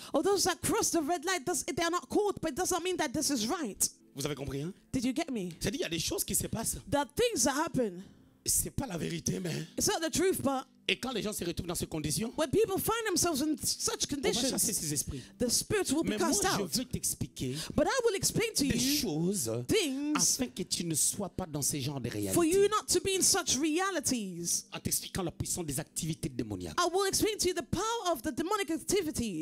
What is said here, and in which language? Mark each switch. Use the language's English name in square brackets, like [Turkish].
[English] All those that cross the red light, they're not caught, but it doesn't mean that this is right. [French] Vous avez compris, hein? [English] Did you get me? [French] C'est-à-dire il y a des choses qui se passent. [English] That things that happen. [French] C'est pas la vérité, mais. [English] It's not the truth, but. [French] Et quand les gens se retrouvent dans ces conditions. [English] When people find themselves in such conditions. [French] On va chasser ces esprits. [English] The spirits will [French] mais [English] be cast out. [French] Mais moi je veux t'expliquer. [English] But I will explain to you. [French] Des choses. [English] Things. [French] Afin que tu ne sois pas dans ces genres de réalités. [English] For you not to be in such realities. [French] En t'expliquant la puissance des activités démoniaques. [English] I will explain to you the power of the demonic activities.